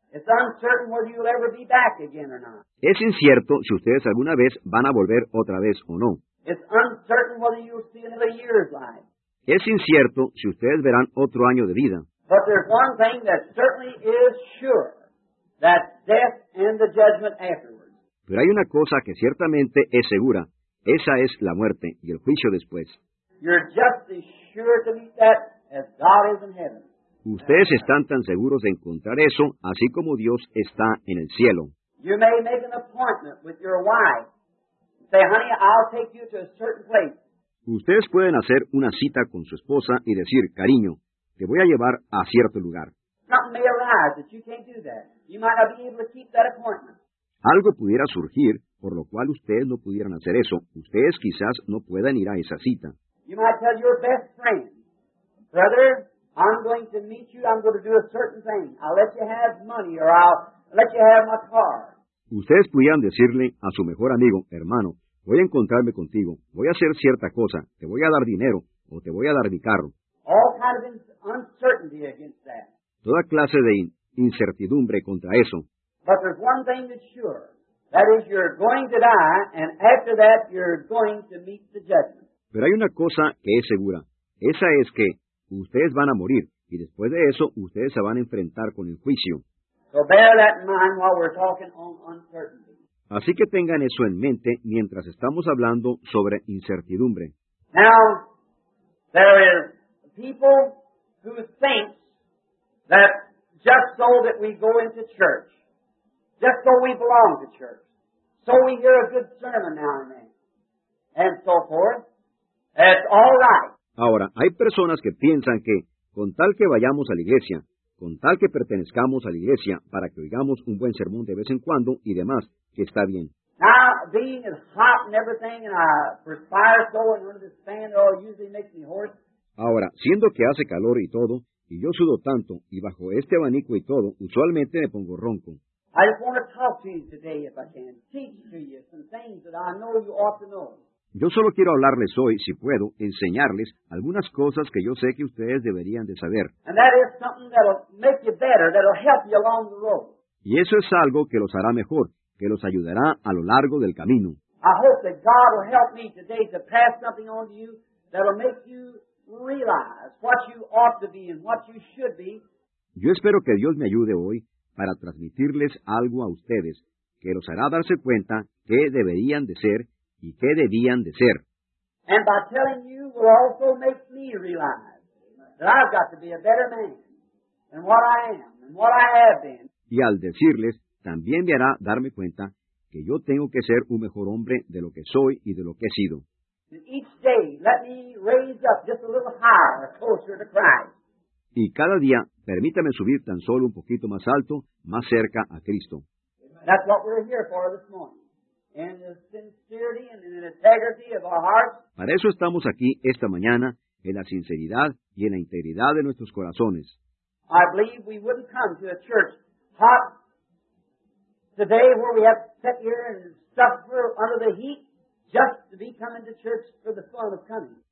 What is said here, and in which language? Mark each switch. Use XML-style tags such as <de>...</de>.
<en>It's uncertain whether you'll ever be back again or not.</en> <es>Es incierto si ustedes alguna vez van a volver otra vez o no.</es> <en>It's uncertain whether you'll see another year's life.</en> <es>Es incierto si ustedes verán otro año de vida.</es> <en>But there's one thing that certainly is sure. That's death and the judgment afterwards.</en> <es>Pero hay una cosa que ciertamente es segura. Esa es la muerte y el juicio después.</es> <en>You're just as sure to meet that as God is in heaven.</en> <es>Ustedes están tan seguros de encontrar eso, así como Dios está en el cielo.</es> <en>You may make an appointment with your wife. Say, honey, I'll take you to a certain place.</en> <es>Ustedes pueden hacer una cita con su esposa y decir, cariño, te voy a llevar a cierto lugar.</es> <en>Something may arise that you can't do that. You might not be able to keep that appointment.</en> <es>Algo pudiera surgir, por lo cual ustedes no pudieran hacer eso. Ustedes quizás no puedan ir a esa cita.</es> <en>You might tell your best friend, brother, I'm going to meet you, I'm going to do a certain thing. I'll let you have money, or I'll let you have my car.</en> <es>Ustedes pudieran decirle a su mejor amigo, hermano, voy a encontrarme contigo, voy a hacer cierta cosa, te voy a dar dinero, o te voy a dar mi carro.</es> <en>All kinds of uncertainty against that.</en> <es>Toda clase de incertidumbre contra eso.</es> <en>But there's one thing that's sure. That is, you're going to die, and after that, you're going to meet the judgment.</en> <es>Pero hay una cosa que es segura. Esa es que ustedes van a morir, y después de eso, ustedes se van a enfrentar con el juicio.</es> <en>So bear that in mind while we're talking on uncertainty.</en> <es>Así que tengan eso en mente mientras estamos hablando sobre incertidumbre.</es> <en>Now, there is people who think that just so that we go into church, just so we belong to church, so we hear a good sermon now and then, and so forth, that's all right.</en> <es>Ahora, hay personas que piensan que, con tal que vayamos a la iglesia, con tal que pertenezcamos a la iglesia, para que oigamos un buen sermón de vez en cuando y demás, que está bien.</es> <en>Now, being as hot and everything, and I perspire so and run to stand, it all usually makes me hoarse.</en> <es>Ahora, siendo que hace calor y todo, y yo sudo tanto, y bajo este abanico y todo, usualmente me pongo ronco.</es> <en>I just want to talk to you today, if I can, teach to you some things that I know you ought to know.</en> <es>Yo solo quiero hablarles hoy, si puedo, enseñarles algunas cosas que yo sé que ustedes deberían de saber.</es> <en>And that is something that'll make you better, that'll help you along the road.</en> <es>Y eso es algo que los hará mejor, que los ayudará a lo largo del camino.</es> <en>I hope that God will help me today to pass something on to you that'll make you realize what you ought to be and what you should be.</en> <es>Yo espero que Dios me ayude hoy para transmitirles algo a ustedes que los hará darse cuenta qué deberían de ser y qué debían de ser.</es> <en>And by telling you will also make me realize that I've got to be a better man than what I am and what I have been.</en> <es>Y al decirles, también me hará darme cuenta que yo tengo que ser un mejor hombre de lo que soy y de lo que he sido.</es> <en>And each day, let me raise up just a little higher, closer to Christ.</en> <es>Y cada día, permítame subir tan solo un poquito más alto, más cerca a Cristo.</es> <en>That's what we're here for this morning. In the sincerity and in the integrity of our hearts.</en> <es>Para eso estamos aquí esta mañana, en la sinceridad y en la integridad de nuestros corazones.</es> <en>I believe we wouldn't come to a church hot today where we have to sit here and suffer under the heat just to be coming to church for the fun of coming.</en>